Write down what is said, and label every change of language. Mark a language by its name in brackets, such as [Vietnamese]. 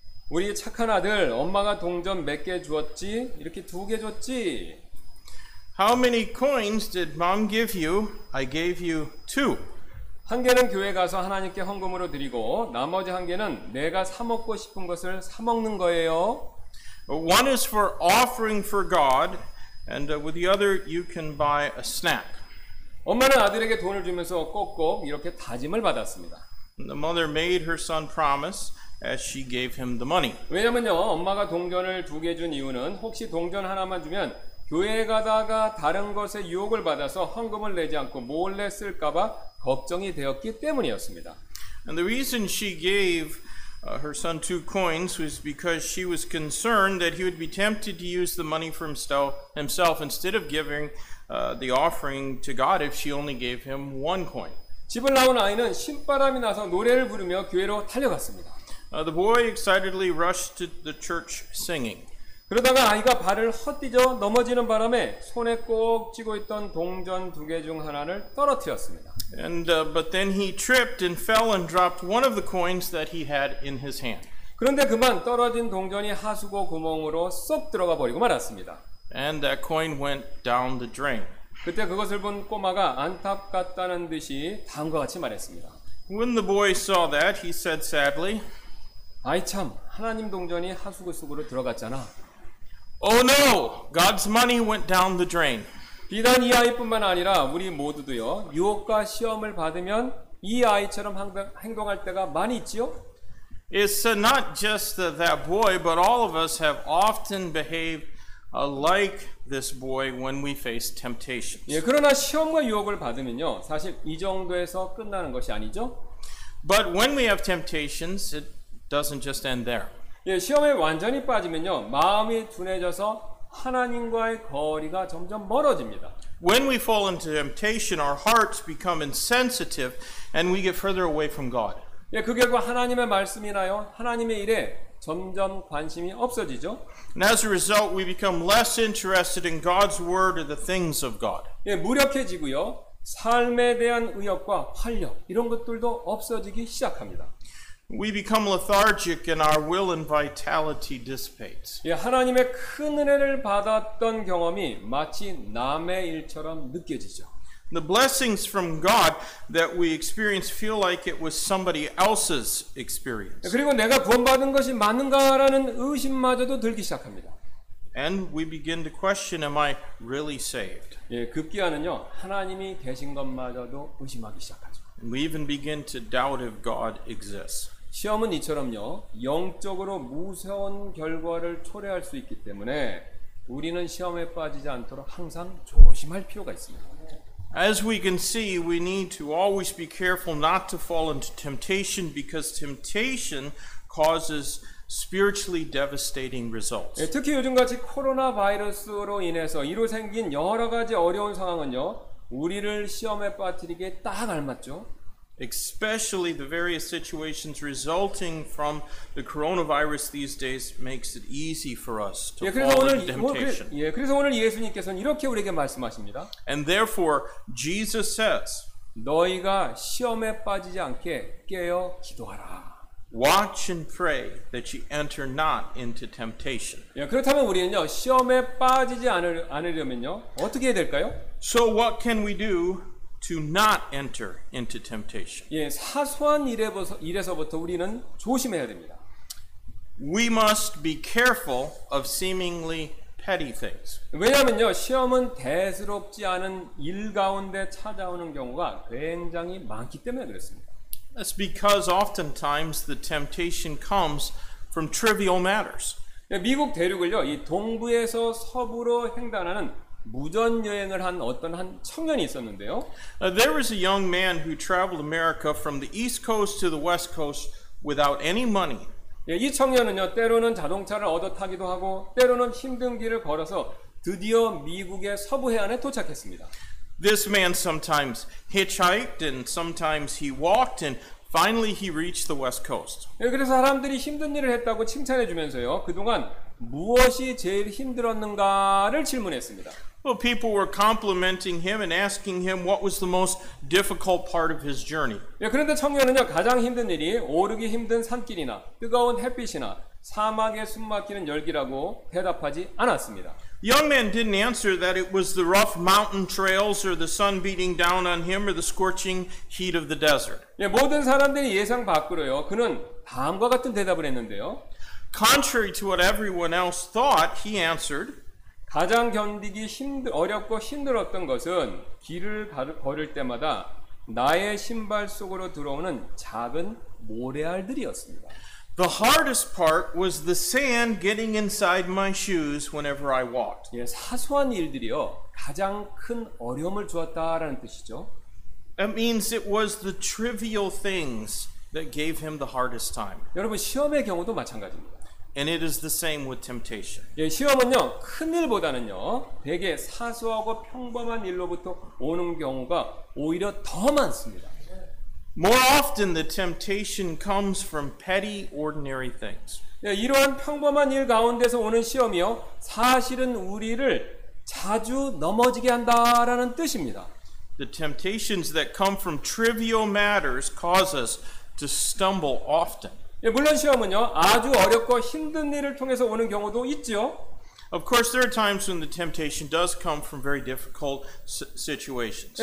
[Korean] 우리 착한 아들, 엄마가 동전 몇 개 주었지? 이렇게 두 개 줬지? [English] How many coins did mom give you? I gave you two. [Korean] 한 개는 교회 가서 하나님께 헌금으로 드리고 나머지 한 개는 내가 사 먹고 싶은 것을 사 먹는 거예요. [English] One is for offering for God, and with the other you can buy a snack. [Korean] 엄마는 아들에게 돈을 주면서 꼭꼭 이렇게 다짐을 받았습니다. [English] The mother made her son promise as she gave him the money. [Korean] 왜냐면요, 엄마가 동전을 두 개 준 이유는 혹시 동전 하나만 주면 교회에 가다가 다른 것에 유혹을 받아서 헌금을 내지 않고 몰래 쓸까봐 걱정이 되었기 때문이었습니다. [English] And the reason she gave her son two coins was because she was concerned that he would be tempted to use the money for himself instead of giving the offering to God if she only gave him one coin. [Korean] 집을 나온 아이는 신바람이 나서 노래를 부르며 교회로 달려갔습니다. [English] The boy excitedly rushed to the church singing. [Korean] 그러다가 아이가 발을 헛디뎌 넘어지는 바람에 손에 꼭 쥐고 있던 동전 두 개 중 하나를 떨어뜨렸습니다. [English] But then he tripped and fell and dropped one of the coins that he had in his hand. [Korean] 그런데 그만 떨어진 동전이 하수구 구멍으로 쏙 들어가 버리고 말았습니다. [English] And that coin went down the drain. [Korean] 그때 그것을 본 꼬마가 안타깝다는 듯이 다음과 같이 말했습니다. [English] When the boy saw that, he said sadly, [Korean] 아이 참, 하나님 동전이 하수구 속으로 들어갔잖아. [English] Oh no, God's money went down the drain. [Korean] 비단 이 아이뿐만 아니라 우리 모두도요 유혹과 시험을 받으면 이 아이처럼 행동할 때가 많이 있지요. [English] It's not just that boy, but all of us have often behaved like this boy when we face temptations. [Korean] 예, 그러나 시험과 유혹을 받으면요 사실 이 정도에서 끝나는 것이 아니죠. [English] But when we have temptations, it doesn't just end there. [Korean] 예, 시험에 완전히 빠지면요 마음이 둔해져서 하나님과의 거리가 점점 멀어집니다. [English] When we fall into temptation, our hearts become insensitive and we get further away from God. [Korean] 예, 그 결과 하나님의 말씀이나요, 하나님의 일에 점점 관심이 없어지죠. [English] And as a result, we become less interested in God's word or the things of God. [Korean] 예, 무력해지고요. 삶에 대한 의욕과 활력 이런 것들도 없어지기 시작합니다. [English] We become lethargic and our will and vitality dissipates. [Korean] 예, 하나님의 큰 은혜를 받았던 경험이 마치 남의 일처럼 느껴지죠. [English] The blessings from God that we experience feel like it was somebody else's experience. [Korean] 예, 그리고 내가 구원받은 것이 맞는가라는 의심마저도 들기 시작합니다. [English] And we begin to question, am I really saved? [Korean] 예, 급기야는요, 하나님이 계신 것마저도 의심하기 시작하죠. [English] We even begin to doubt if God exists. [Korean] 시험은 이처럼요, 영적으로 무서운 결과를 초래할 수 있기 때문에 우리는 시험에 빠지지 않도록 항상 조심할 필요가 있습니다. [English] As we can see, we need to always be careful not to fall into temptation, because temptation causes spiritually devastating results. [Korean] 예, 특히 요즘같이 코로나 바이러스로 인해서 이로 생긴 여러 가지 어려운 상황은요, 우리를 시험에 빠뜨리게 딱 알맞죠. [English] Especially the various situations resulting from the coronavirus these days makes it easy for us to fall into temptation. [Korean] 예, 그래서 오늘 예수님께서는 이렇게 우리에게 말씀하십니다. [English] And therefore, Jesus says, [Korean] 너희가 시험에 빠지지 않게 깨어 기도하라. [English] Watch and pray that you enter not into temptation. [Korean] 예, 그렇다면 우리는요, 시험에 빠지지 않으려면요, 어떻게 해야 될까요? [English] So what can we do to not enter into temptation? [Korean] 예, 사소한 일에서부터 우리는 조심해야 됩니다. [English] We must be careful of seemingly petty things. [Korean] 왜냐면요, 시험은 대수롭지 않은 일 가운데 찾아오는 경우가 굉장히 많기 때문에 그렇습니다. [English] That's because oftentimes the temptation comes from trivial matters. [Korean] 미국 대륙을요, 이 동부에서 서부로 횡단하는 무전 여행을 한 어떤 한 청년이 있었는데요. [English] There was a young man who traveled America from the East Coast to the West Coast without any money. [Korean] 예, 이 청년은요, 때로는 자동차를 얻어 타기도 하고, 때로는 힘든 길을 걸어서 드디어 미국의 서부 해안에 도착했습니다. [English] This man sometimes hitchhiked and sometimes he walked and finally he reached the West Coast. [Korean] 예, 그래서 사람들이 힘든 일을 했다고 칭찬해 주면서요, 그동안 무엇이 제일 힘들었는가를 질문했습니다. [English] Well, people were complimenting him and asking him what was the most difficult part of his journey. [Korean] 예, 그런데 청년은요, 가장 힘든 일이 오르기 힘든 산길이나 뜨거운 햇빛이나 사막에 숨 막히는 열기라고 대답하지 않았습니다. [English] Young man didn't answer that it was the rough mountain trails or the sun beating down on him or the scorching heat of the desert. [Korean] 예, 모든 사람들이 예상 밖으로요. 그는 다음과 같은 대답을 했는데요. [English] Contrary to what everyone else thought, he answered, [Korean] 가장 견디기 힘들 어렵고 힘들었던 것은 길을 걸을 때마다 나의 신발 속으로 들어오는 작은 모래알들이었습니다. [English] The hardest part was the sand getting inside my shoes whenever I walked. [Korean] 예, 사소한 일들이요, 가장 큰 어려움을 주었다라는 뜻이죠. [English] It means it was the trivial things that gave him the hardest time. [Korean] 여러분, 시험의 경우도 마찬가지입니다. [English] And it is the same with temptation. [Korean] 예, 시험은요, 큰 일보다는요, 되게 사소하고 평범한 일로부터 오는 경우가 오히려 더 많습니다. [English] More often, the temptation comes from petty, ordinary things. [Korean] 예, 이러한 평범한 일 가운데서 오는 시험이요, 사실은 우리를 자주 넘어지게 한다라는 뜻입니다. [English] The temptations that come from trivial matters cause us to stumble often. [Korean] 예, 물론 시험은요, 아주 어렵고 힘든 일을 통해서 오는 경우도 있지요. [English] Of course, there are times when the temptation does come from very difficult situations.